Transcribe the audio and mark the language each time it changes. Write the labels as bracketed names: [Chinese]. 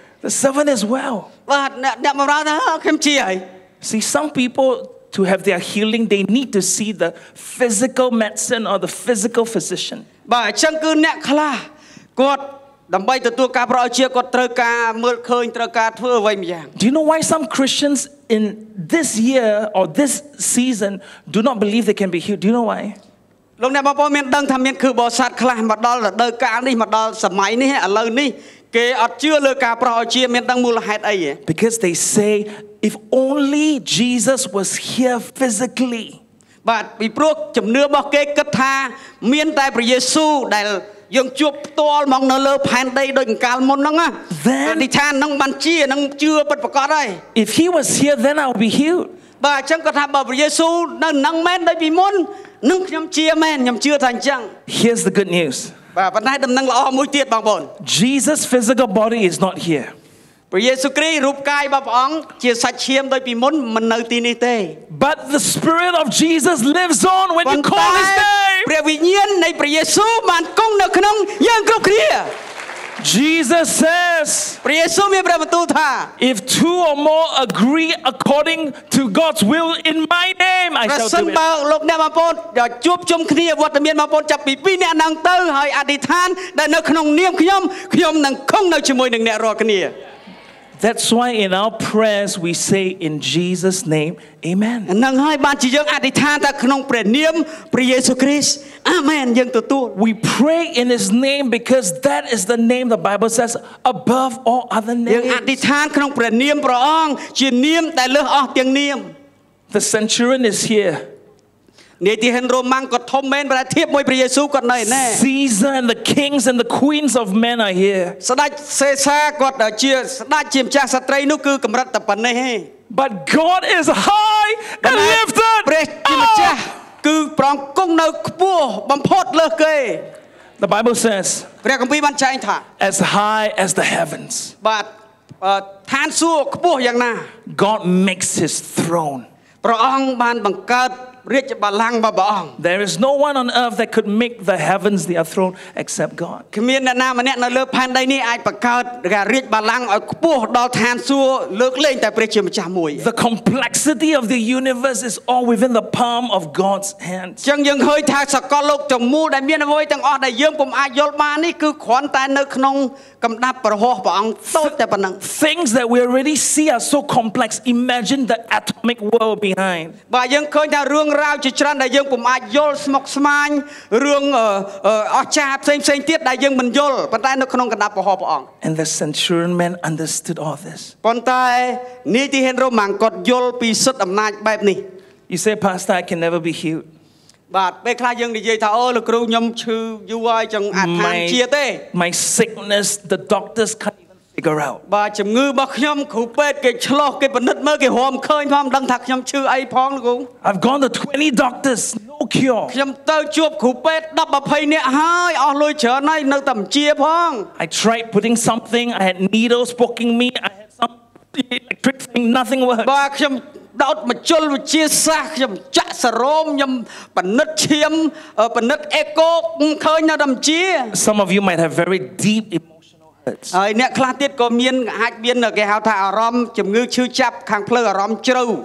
[English] The servant is well [Khmer] បាទអ្នកបម្រើថាខ្ញុំជាហើយ [English] See some people to have their healing they need to see the physical medicine or the physical physician [Khmer] បាទអញ្ចឹងគឺអ្នកខ្លះគាត់ដើម្បីទទួលការប្រោសជាគាត់ត្រូវការមើលឃើញត្រូវការធ្វើអ្វីម្យ៉ាង [English] Do you know why some Christians in this year or this season do not believe they can be healed do you know why [Khmer] លោកអ្នកបងប្អូនមានដឹងថាមានគ្រូបោសាត់ខ្លះមកដល់រដូវកាលនេះមកដល់សម័យនេះឥឡូវនេះគេអត់ជឿលើការប្រោសជាមានដឹងមូលហេតុអី [English] Because they say if only Jesus was here physically [Khmer] បាទពីព្រោះជំនឿរបស់គេគិតថាមានតែព្រះយេស៊ូវដែលយើងជួបផ្ទាល់មកនៅលើផែនដីដូចកាលមុនហ្នឹង អានិថានឹងបានជានឹងជឿពិតប្រាកដហើយ [English] If he was here then I'll be healed [Khmer] បាទអញ្ចឹងគាត់ថាបើព្រះយេស៊ូវនៅហ្នឹងមែនដូចពីមុននឹងខ្ញុំជាមែនខ្ញុំជឿថាអញ្ចឹង [English] Here's the good news [Khmer] បាទប៉ុន្តែដំណឹងល្អមួយទៀតបងប្អូន [English] Jesus physical body is not here [Khmer] ព្រះយេស៊ូវគ្រីស្ទរូបកាយរបស់ព្រះអង្គជាសាច់ឈាមដូចពីមុនមិននៅទីនេះទេ [English] But the spirit of Jesus lives on when you call his name [Khmer] ព្រះវិញ្ញាណនៃព្រះយេស៊ូវបានគង់នៅក្នុងយើងគ្រប់គ្នា [English] Jesus says [Khmer] ព្រះយេស៊ូវមានព្រះបន្ទូលថា [English] If two or more agree according to God's will in my name I shall do it [Khmer] លោកអ្នកបងប្អូនដល់ជួបជុំគ្នាវត្តមានបងប្អូនចាប់ពី2អ្នកនឹងទៅហើយអធិដ្ឋានដែលនៅក្នុងនាមខ្ញុំខ្ញុំនឹងគង់នៅជាមួយនឹងអ្នករាល់គ្នា [English] That's why in our prayers we say in Jesus name amen. [Khmer] ហើយហើយបានជាយើងអធិដ្ឋានតែក្នុងព្រះនាមព្រះយេស៊ូវគ្រីស្ទ amen យើងទទួល [English] We pray in his name because that is the name the Bible says above all other names. [Khmer] យើងអធិដ្ឋានក្នុងព្រះនាមព្រះអង្គជានាមដែលលើសអស់ទាំងនាម [English] The centurion is here. [Khmer] នាយទាហានរ៉ូម៉ាំងក៏ធំមែនប្រធានមួយព្រះយេស៊ូវក៏នៅឯណា [English] Caesar and the kings and the queens of men are here [Khmer] ស្ដេចសេសាក៏ជាស្ដេចជាម្ចាស់ស្ត្រីនោះគឺកម្រិតតែប៉ុណ្ណេះឯង [English] But God is high and lifted [Khmer] ព្រះជាម្ចាស់គឺប្រងគង់នៅខ្ពស់បំផុតលើសគេ [English] The Bible says [Khmer] ព្រះគម្ពីរបានចែងថា [English] as high as the heavens [Khmer] បាទឋានសួគ៌ខ្ពស់យ៉ាងណា [English] God makes his throne [Khmer] ព្រះអង្គបានបង្កើត រាជបល្ល័ង្ករបស់អង្គ [English] There is no one on earth that could make the heavens their throne except God [Khmer] គ្មានអ្នកណាម្នាក់នៅលើផែនដីនេះអាចបង្កើតរាជបល្ល័ង្កឲ្យខ្ពស់ដល់ឋានសួគ៌លើកលែងតែព្រះជាម្ចាស់មួយ [English] The complexity of the universe is all within the palm of God's hands [Khmer] ចឹងយើងឃើញថាសកលលោកទាំងមូលដែលមានអ្វីទាំងអស់ដែលយើងពុំអាចយល់បាននេះគឺគ្រាន់តែនៅក្នុងកំដាប់ព្រះហស្តព្រះអង្គតូចតែប៉ុណ្ណឹង [English] Things that we already see are so complex imagine the atomic world behind [Khmer] បើយើងឃើញថារឿងរ៉ាវជាច្រើនដែលយើងពុំអាចយល់ស្មុគស្មាញរឿងអស្ចារ្យផ្សេងផ្សេងទៀតដែលយើងមិនយល់ប៉ុន្តែនៅក្នុងកំដាប់ព្រះហស្តព្រះអង្គ [English] And the centurion man understood all this [Khmer] ប៉ុន្តែនាយទាហានរ៉ូម៉ាំងគាត់យល់ពីសិទ្ធិអំណាចបែបនេះ [English] You say pastor I can never be healed [Khmer] បាទពេលខ្លះយើងនិយាយថាអូលោកគ្រូខ្ញុំឈឺយូរហើយចឹងអាចថាជាទេ [English] My sickness the doctors can't even figure out [Khmer] បាទជំងឺរបស់ខ្ញុំគ្រូពេទ្យគេឆ្លោះគេពិនិត្យមើលគេរមឃើញផងមិនដឹងថាខ្ញុំឈឺអីផងលោកគ្រូ [English] I've gone to 20 doctors no cure [Khmer] ខ្ញុំទៅជួបគ្រូពេទ្យ 10-20 នាក់ហើយអស់លុយច្រើនហើយនៅតែមិនជាផង [English] I tried putting something I had needles poking me I had some electric thing nothing worked [Khmer] បាទខ្ញុំដោតមជុលវិជាសាស្ត្រខ្ញុំចាក់សេរ៉ូមខ្ញុំបនិតឈាមបនិតអេកូឃើញនៅតែម្ជា [English] Some of you might have very deep emotional hurts [Khmer] ហើយអ្នកខ្លះទៀតក៏មានអាចមានគេហៅថាអារម្មណ៍ជំងឺឈឺចាប់ខាងផ្លូវអារម្មណ៍ជ្រៅ